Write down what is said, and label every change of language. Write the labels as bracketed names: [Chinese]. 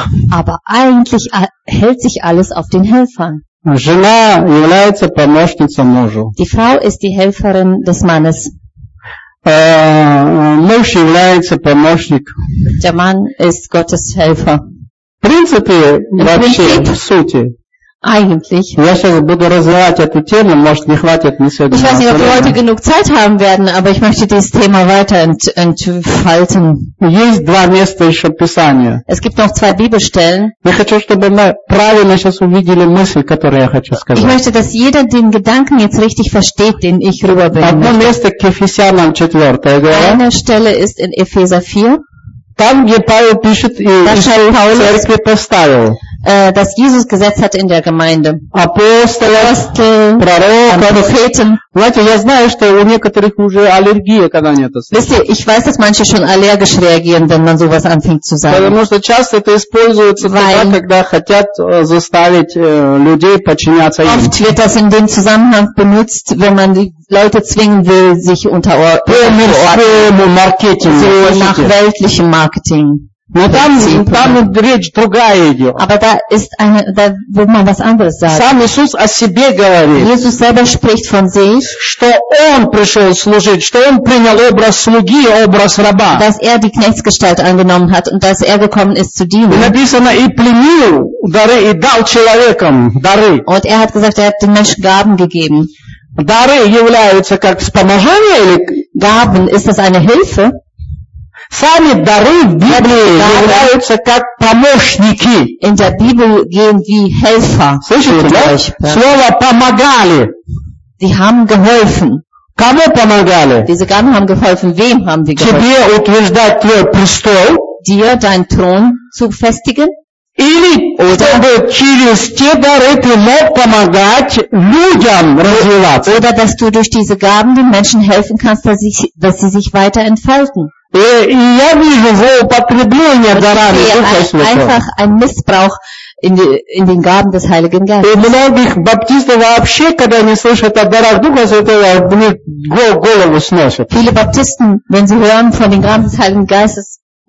[German] Aber eigentlich hält sich alles auf den Helfern. Die Frau ist die Helferin des Mannes. [Russian] Муж является помощник. [German] Der Mann ist Gottes Helfer. [Russian] В принципе, вообще, в сути. [German] Eigentlich. [Russian] Я сейчас буду развивать эту тему, может, не хватит на сегодня. [German] Ich weiß nicht, ob wir heute genug Zeit haben werden, aber ich möchte dieses Thema weiter entfalten. [Russian] Есть два места еще Писания. [German] Es gibt noch zwei Bibelstellen. [Russian] Я хочу, чтобы мы правильно сейчас увидели мысль, которую я хочу сказать. [German] Ich möchte, dass jeder den Gedanken jetzt richtig versteht, den ich rüberbringe. [Russian] Одно место к Ефесянам 4, да? [German] Eine Stelle ist in Epheser 4. [Russian] Там, где Павел пишет, и церкви поставил. [German] Das Jesus gesetzt hat in der Gemeinde. Apostel, Propheten. Propheten. [Russian] Знаете, я знаю, что у некоторых уже аллергия, когда они это слышат. [German] Ihr, ich weiß, dass manche schon allergisch reagieren, wenn man sowas anfängt zu sagen. [Russian] Потому что часто это используется тогда, когда хотят заставить людей подчиняться им. [German] Oft wird das in dem Zusammenhang benutzt, wenn man die Leute zwingen will, sich unterordnen. So nach weltlichem Marketing. [Russian] Там речь другая идет. [German] Aber da ist eine, da wird man was anderes sagen. [Russian] Сам Иисус о себе говорит. [German] Jesus selber spricht von sich, [Russian] что он пришел служить, что он принял образ слуги, образ раба. [German] Dass er die Knechtsgestalt angenommen hat und dass er gekommen ist zu dienen. [Russian] И написано, и пленил дары, и дал человекам дары. [German] Und er hat gesagt, er hat den Menschen Gaben gegeben. [Russian] Дары являются как вспоможение или... [German] Gaben, ist das eine Hilfe? [Russian] Сами дары в Библии являются как помощники. [German] In der Bibel gehen wie Helfer. [Russian] Слышите, да? Слово помогали. [German] Die haben geholfen. [Russian] Кому помогали? [German] Diese Gaben haben geholfen. Wem haben die geholfen? [Russian] Тебе утверждать твой престол. [German] Dir dein Thron zu festigen. [Russian] Или [German] oder [Russian] чтобы через те дары ты мог помогать людям развиваться. [German] Oder dass du durch diese Gaben den Menschen helfen kannst, dass sie sich weiter entfalten. [Russian] И я вижу злоупотребление дарами Духа Святого. И многих баптистов вообще, когда они слышат о дарах Духа Святого, они голову сносят. [German] Viele Baptisten, wenn sie hören von den Gaben des Heiligen Geistes,